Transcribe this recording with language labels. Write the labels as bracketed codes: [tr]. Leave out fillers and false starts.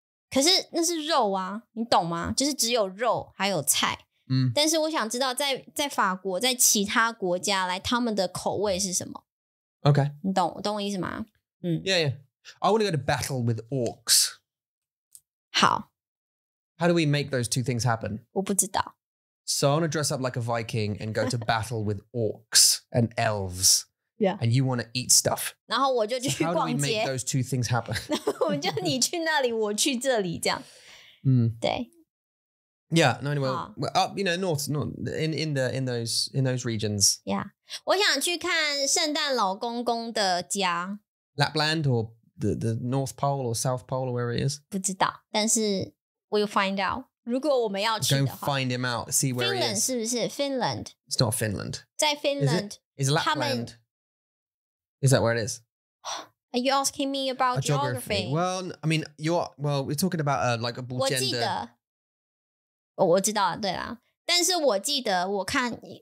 [zh] 可是那是肉啊你懂吗就是只有肉还有菜、嗯、但是我想知道在法国在其他国家来他们的口味是什么 [en] OK [zh] 你懂我意思吗、嗯、 [en] Yeah yeah I want to go to battle with orcs [zh] 好 [en] How do we make those two things happen? [zh] 我不知道 [en] So I want to dress up like a Viking and go to battle with orcs and elves Yeah. And you want to eat stuff. [zh] 然后我就去逛街。 [en] So how do we make those two things happen? [zh] 我们就你去那里，我去这里，这样。嗯，对。 [en] Yeah. No. Anyway, we're up. You know, north in those regions. Yeah. [zh] 我想去看圣诞老公公的家。 [en] Lapland or the North Pole or South Pole or where it is. [zh] 不知道，但是 [en] we'll find out. [zh] 如果我们要去的话 [en] ，Go find him out. See where Finland he is. [zh] 是不是 Finland? [en] It's not Finland. [zh] 在 Finland. [en] Is Lapland? Is that where it is? Are you asking me about geography? Well, I mean, we're talking about like a gender. [zh] 我记得，我知道，对啦。但是我记得，我看